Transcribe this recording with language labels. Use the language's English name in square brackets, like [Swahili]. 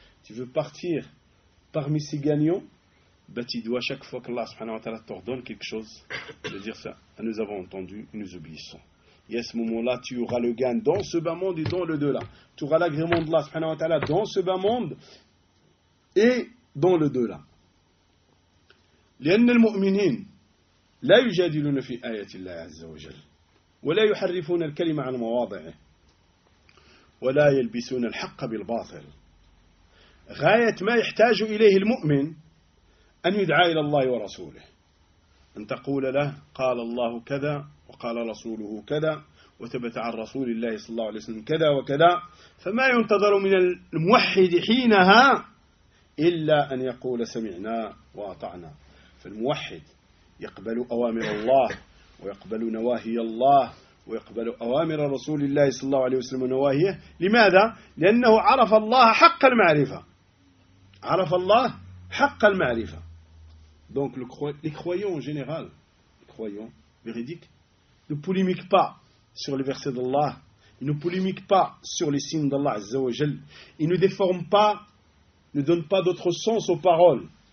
[French] Tu veux partir parmi ces gagnants, ben, tu dois chaque fois qu'Allah subhanahu wa ta'ala t'ordonne quelque chose, de dire ça. « Nous avons entendu, nous obéissons. » Et à ce moment-là, tu auras le gain dans ce bas monde et dans le delà. Tu auras l'agrément d'Allah subhanahu wa ta'ala dans ce bas monde et dans le delà. [Arabic] لأن المؤمنين لا يجادلون في آيات الله عز وجل ولا يحرفون الكلمة عن مواضعه ولا يلبسون الحق بالباطل. غاية ما يحتاج إليه المؤمن أن يدعى إلى الله ورسوله أن تقول له قال الله كذا وقال رسوله كذا وثبت عن رسول الله صلى الله عليه وسلم كذا وكذا. فما ينتظر من الموحد حينها إلا أن يقول سمعنا وأطعنا. فالموحد يقبل أوامر الله ويقبل نواهي الله ويقبل أوامر رسول الله صلى الله عليه وسلم ونواهيه. لماذا؟ لأنه عرف الله حق المعرفة. عرف الله حق المعرفة. [French] Donc les croyants en général, les croyant, véridique, ne polémique pas sur le verset d'Allah, il ne polémique pas sur les signes d'Allah Azza wa Jal, il ne déforme pas, ne donne pas d'autre sens aux paroles.